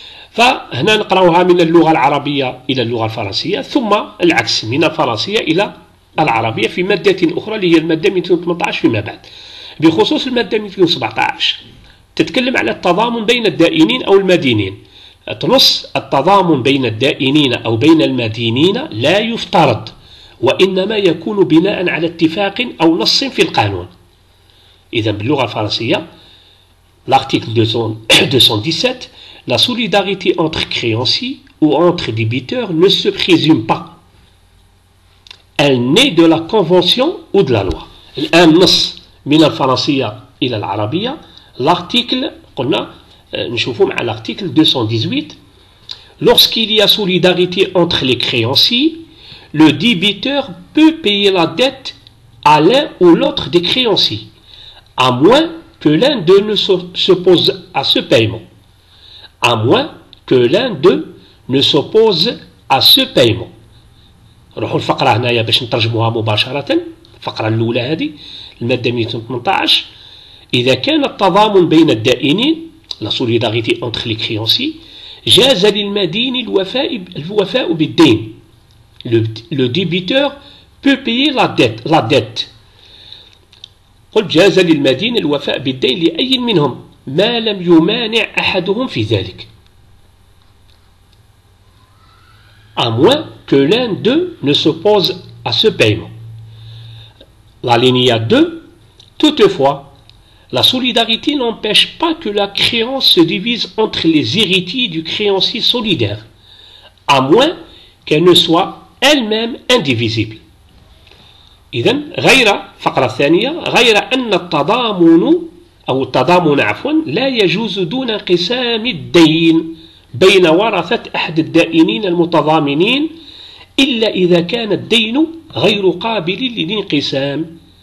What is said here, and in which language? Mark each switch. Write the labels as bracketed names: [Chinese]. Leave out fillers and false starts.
[Arabic] فهنا نقراوها من اللغة العربية إلى اللغة الفرنسية، ثم العكس من الفرنسية إلى العربية في مادة أخرى اللي هي المادة 218 فيما بعد. بخصوص المادة 217 تتكلم على التضامن بين الدائنين أو المدينين. تنص التضامن بين الدائنين أو بين المدينين لا يفترض، وإنما يكون بناء على اتفاق أو نص في القانون. إذا باللغة الفرنسية [French] l'article 217 la solidarité entre créanciers ou entre débiteurs ne se présume pas. Elle naît de la convention ou de la loi. [Arabic] الآن نص من الفرنسية إلى العربية. لارتيكل قلنا نشوفوا مع لارتيكل 218. [French] Lorsqu'il y a solidarité entre les créanciers, le débiteur peut payer la dette à l'un ou l'autre des créanciers, à moins que l'un d'eux ne s'oppose à ce paiement. À moins que l'un d'eux ne s'oppose à ce paiement. [Arabic] نروحوا الفقرة هنايا باش نترجموها مباشرة. الفقرة الأولى هذه المادة 218. إذا كان التضامن بين الدائنين [French] لا سوليداريتي أونتخ لي كريونسي، [Arabic] جاز للمدين الوفاء بالدين. [French] لو ديبيتور بو بيي لا ديت، [Arabic] لا ديت. قلت جاز للمدين الوفاء بالدين لأي منهم ما لم يمانع أحدهم في ذلك. [French] À moins que l'un d'eux ne s'oppose à ce paiement. L'alinéa 2. Toutefois, la solidarité n'empêche pas que la créance se divise entre les héritiers du créancier solidaire, à moins qu'elle ne soit elle-même indivisible. [Arabic] إذن غير فقرة ثانية غير أن التضامن أو التضامن عفوا لا يجوز دون انقسام الدين بين ورثة أحد الدائنين المتضامنين إلا إذا كان الدين غير قابل للانقسام.